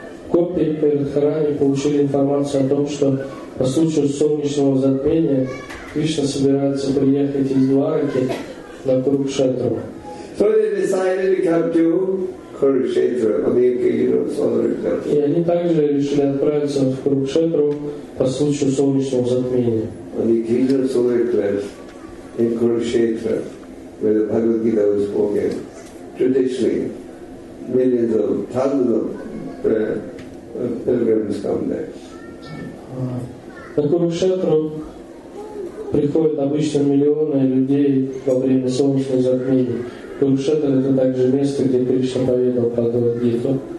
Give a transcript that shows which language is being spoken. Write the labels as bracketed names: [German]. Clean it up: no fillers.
[Russian] Гопи перед храмом получили информацию о том, что по случаю солнечного затмения Кришна собирается приехать из Двараки на Курукшетру. [English] So they decided to come to Курукшетру on the occasion of solar eclipse. [Russian] И они также решили отправиться в Курукшетру по случаю солнечного затмения. [English] On the occasion of solar eclipse in Курукшетру, where the Bhagavad Gita was spoken, traditionally millions of thousands of pilgrims come there. [Russian] На Курукшетру приходят обычно миллионы людей во время солнечных затмений. Курукшетра — это также место, где Кришна поведал про Бхагавад-гиту.